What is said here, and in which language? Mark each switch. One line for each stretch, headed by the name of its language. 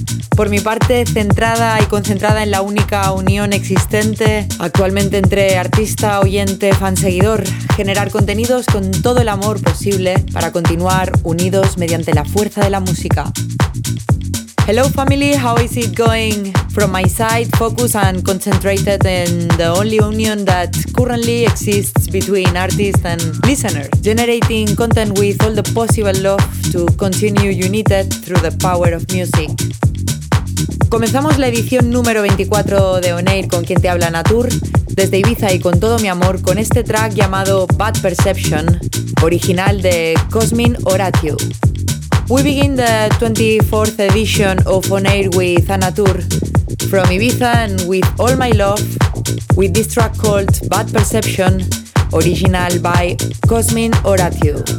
Spanish: Por mi parte, centrada y concentrada en la única unión existente actualmente entre artista, oyente, fan, seguidor, generar contenidos con todo el amor posible para continuar unidos mediante la fuerza de la música.
English: Hello family, how is it going? From my side, focused and concentrated in the only union that currently exists between artists and listeners, generating content with all the possible love to continue united through the power of music.
Spanish: Comenzamos la edición número 24 de On Air con quien te habla Natur, desde Ibiza y con todo mi amor, con este track llamado Bad Perception, original de Cosmin Horatiu.
English: We begin the 24th edition of On Air with Anatur from Ibiza and with all my love with this track called Bad Perception, original by Cosmin Horatiu.